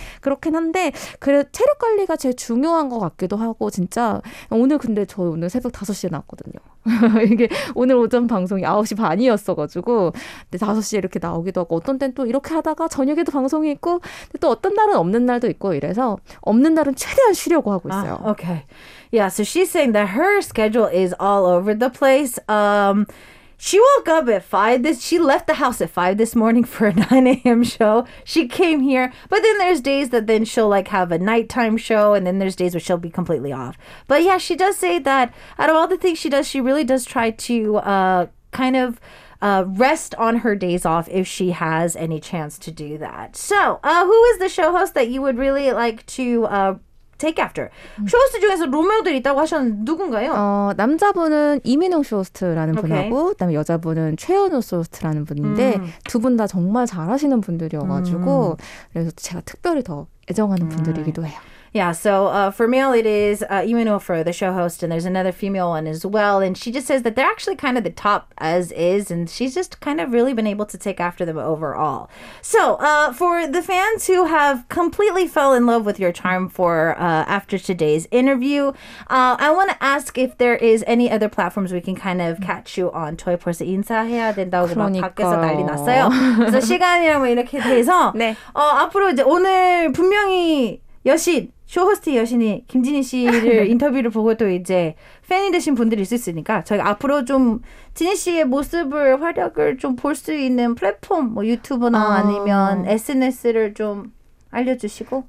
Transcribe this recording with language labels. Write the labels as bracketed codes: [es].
[ko] 그렇긴 한데 그래도 체력 관리가 제일 중요한 것 같기도 하고 진짜 오늘 근데 저 오늘 새벽 5시에 나왔거든요. 이게 오늘 오전 방송이 9시 반이었어가지고 근데 5시에 이렇게 나오기도 하고 어떤 땐 또 이렇게 하다가 저녁에도 방송이 있고 근데 또 어떤 날은 없는 날도 있고 이래서 없는 날은 최대한 쉬려고 하고 있어요. 아, okay. [en] Yeah, so she's saying that her schedule is all over the place. She woke up at 5 this, she left the house at 5 this morning for a 9 a.m. show. She came here, but then there's days that then she'll like have a nighttime show, and then there's days where she'll be completely off. But yeah, she does say that out of all the things she does, she really does try to kind of rest on her days off if she has any chance to do that. So, who is the show host that you would really like to take after? [ko] 쇼호스트 중에서 롤모델 있다고 하셨는데 누군가요? 남자분은 이민웅 쇼호스트라는 okay. 분하고 그다음에 여자분은 최현우 쇼호스트라는 분인데 두 분 다 정말 잘하시는 분들이어가지고 그래서 제가 특별히 더 애정하는 분들이기도 해요. [en] Yeah, so for male, it is Imeno Fro, the show host, and there's another female one as well. And she just says that they're actually kind of the top as is, and she's just kind of really been able to take after them overall. So for the fans who have completely fell in love with your charm for after today's interview, I want to ask if there is any other platforms we can kind of catch you on. [ko] 저희 벌써 인사해야 된다고 그러니까. 막 밖에서 난리 났어요. 그래서 시간이랑 뭐 이렇게 돼서 네. 앞으로 이제 오늘 분명히 여신, 쇼 호스트 여신이 김진희 씨를 인터뷰를 보고 또 이제 팬이 되신 분들이 있을 수 있으니까 저희 앞으로 좀 진희 씨의 모습을 활약을 좀 볼 수 있는 플랫폼 뭐 유튜브나 아니면 SNS를 좀 알려주시고